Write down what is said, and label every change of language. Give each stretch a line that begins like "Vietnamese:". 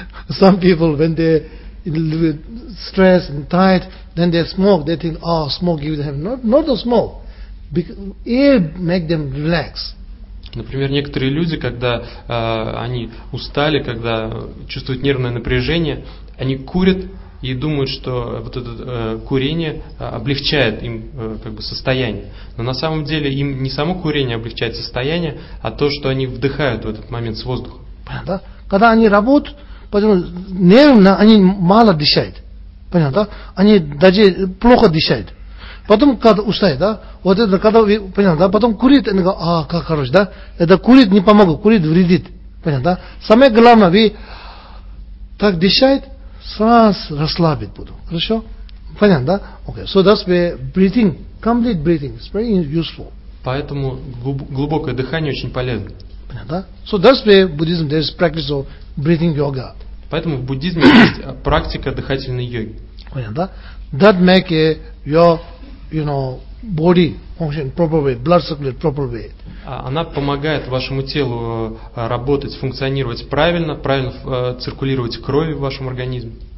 English: Some people, when they stress and tired, then they smoke, they think, oh, smoke gives them, not the smoke, because air makes them relax.
Russian: Например, некоторые люди, когда они устали, когда чувствуют нервное напряжение, они курят и думают, что вот это курение облегчает им как бы состояние. Но на самом деле им не само курение облегчает состояние, а то, что они вдыхают в этот момент с воздухом. Понятно? Когда они работают, потому что нервно они мало дышают. Понятно, да? Они даже плохо дышают. Потом, когда устают, да? Вот это, когда, понятно, да? Потом курит, они говорят, а, как хорошо, да? Это курит не помогло, курит вредит. Понятно, да? Самое главное, вы так дышаете, сразу расслабить буду. Хорошо? Понятно, да? Okay.
English: So that's where breathing, complete breathing is very useful.
Russian: Поэтому глубокое дыхание очень полезно. Понятно, да?
English: So that's where Buddhism, there is practice of breathing yoga.
Russian: Поэтому в буддизме есть практика дыхательной йоги. Понятно, да?
English: That make your, you know, body function properly, blood circulate properly.
Russian: Она помогает вашему телу работать, функционировать правильно, правильно циркулировать кровь в вашем организме.